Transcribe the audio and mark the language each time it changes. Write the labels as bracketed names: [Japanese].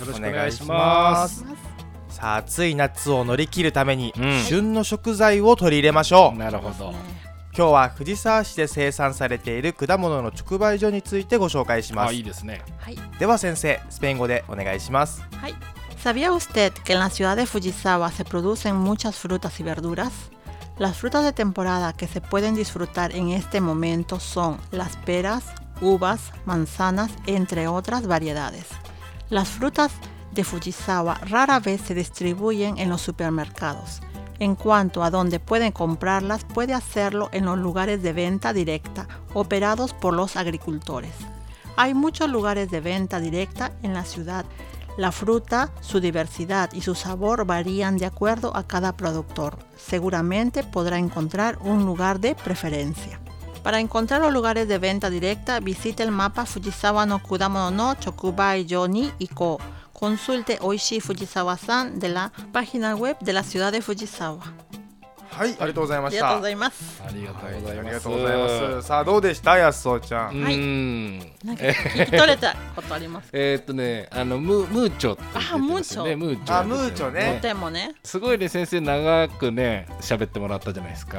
[Japanese] よろしくお願いします。さあ、暑い夏を乗り切るために、旬の食材を取り入れましょう、はい、なるほど。今日は藤沢市で生産されている果物の直売所についてご紹介します。あ、いいですね。はい、では先生、スペイン語でお願いします。はい。 [Spanish] ¿Sabía usted que en la ciudad de Fujisawa se producen muchas frutas y verduras? Las frutas de temporada que se pueden disfrutar en este momento son las peras, uvas, manzanas, entre otras variedades. Las frutas de Fujisawa rara vez se distribuyen en los supermercados. En cuanto a dónde pueden comprarlas, puede hacerlo en los lugares de venta directa operados por los agricultores. Hay muchos lugares de venta directa en la ciudad. La fruta, su diversidad y su sabor varían de acuerdo a cada productor. Seguramente podrá encontrar un lugar de preferencia. Para encontrar los lugares de venta directa, visite el mapa Fujisawa no Kudamono no Chokubai yo ni Iko. Consulte Oishii Fujisawa-san de la página web de la ciudad de Fujisawa. [Japanese] はい、ありがとうございました。ありがとうございます。ありがとうございます、はい、ありがとうございます。さあ、どうでした、やすそうちゃん。はい、なんか聞き取れたことありますか？あの ムーチョって言ってたんですよね。あ、ムーチョね。とてもね、すごいね、先生長くね喋ってもらったじゃないですか、